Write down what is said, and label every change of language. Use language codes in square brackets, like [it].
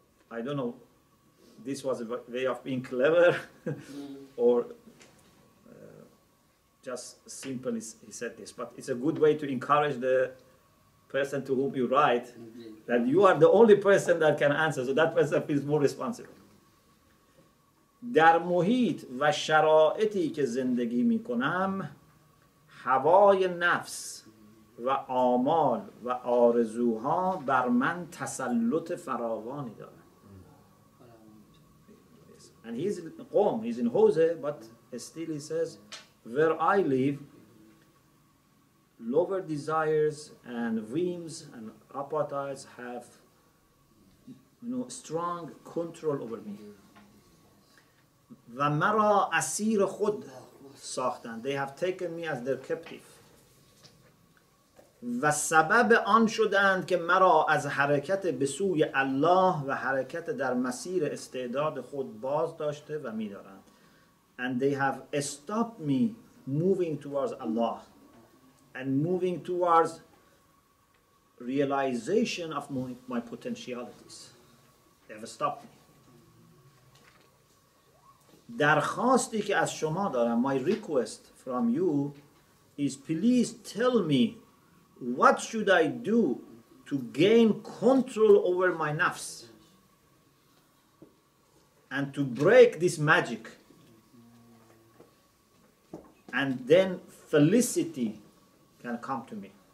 [en] I don't know. This was a way of being clever or just simply he said this, but it's a good way to encourage the person to whom you write that you are the only person that can answer, so that person feels more responsible. [fa] در محیط و شرایطی که زندگی می کنم هوای نفس و آمال و آرزوها بر من تسلط فراوانی دارد. [en] And he's in Qom, he's in Hawza, but still he says, where I live, lower desires and whims and appetites have, you know, strong control over me. [fa] وَمَرَا أَسِيرَ خُدْ سَاخْتَنَ. [en] They have taken me as their captive. [fa] وسبب آن شدند که مرا از حرکت به سوی الله و حرکت در مسیر استعداد خود باز داشته و می‌دارند. [en] And they have stopped me moving towards Allah and moving towards realization of my potentialities. They have stopped me. [fa] درخواستی که از شما دارم, [en] my request from you is please tell me, what should I do to gain control over my nafs and to break this magic and then felicity can come to me?